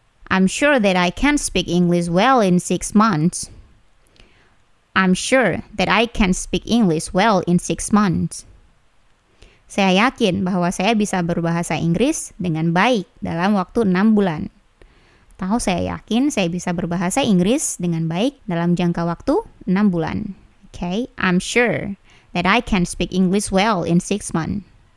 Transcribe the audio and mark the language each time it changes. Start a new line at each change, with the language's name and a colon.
English: I'm sure that I can speak English well in 6 months. I'm sure that I can speak English well in 6 months.
Indonesian: Saya yakin bahwa saya bisa berbahasa Inggris dengan baik dalam waktu 6 bulan. Atau saya yakin saya bisa berbahasa Inggris dengan baik dalam jangka waktu 6 bulan.
English: Okay, I'm sure that I can speak English well in 6 months.